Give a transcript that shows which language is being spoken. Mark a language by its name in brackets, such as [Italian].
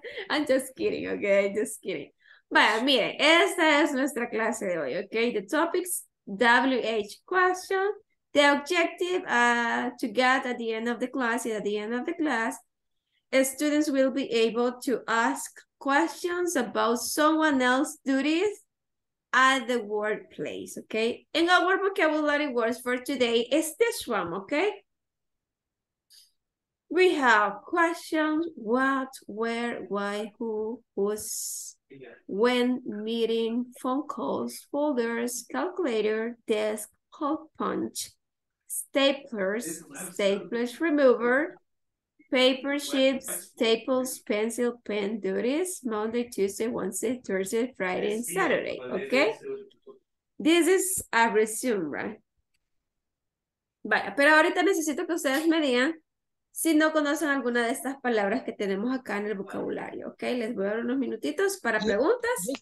[English] I'm just kidding, okay? Just kidding. [Spanish] Vaya, miren, esta es nuestra clase de hoy, okay? [English] The topics, WH question. The objective to get at the end of the class, at the end of the class, students will be able to ask questions about someone else's duties at the workplace, okay? And our vocabulary words for today is this one, okay? We have questions, what, where, why, who, whose, when, meeting, phone calls, folders, calculator, desk, hole punch, staplers, staplers remover, paper sheets, staples, pencil, pen duties, Monday, Tuesday, Wednesday, Thursday, Friday, and Saturday, okay? This is a resume, right? [Spanish] Vaya, pero ahorita necesito que ustedes me digan si no conocen alguna de estas palabras que tenemos acá en el vocabulario, ¿ok? Les voy a dar unos minutitos para preguntas.